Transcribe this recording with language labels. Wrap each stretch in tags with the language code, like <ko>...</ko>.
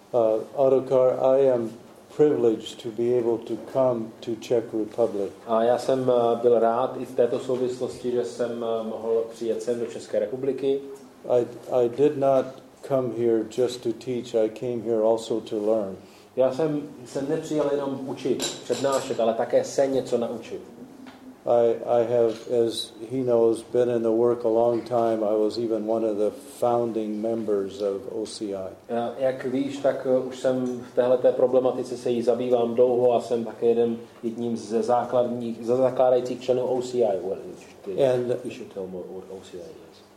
<en>Autocar, I am privileged to be able to come to Czech Republic.</en> <cs>A já jsem byl rád i v této souvislosti, že jsem mohl přijet sem do České republiky.</cs> <en>I did not come here just to teach. I came here also to learn.</en> <cs>Já jsem se nepřijel jenom učit, přednášet, ale také se něco naučit.</cs> <en>I have, as he knows, been in the work a long time. I was even one of the founding members of OCI.</en> <cs>Jak víš, tak už jsem v téhleté problematice se jí zabývám dlouho a jsem také jedním ze základních, ze zakládajících členů OCI.</cs> <en>And you should tell more what OCI is.</en>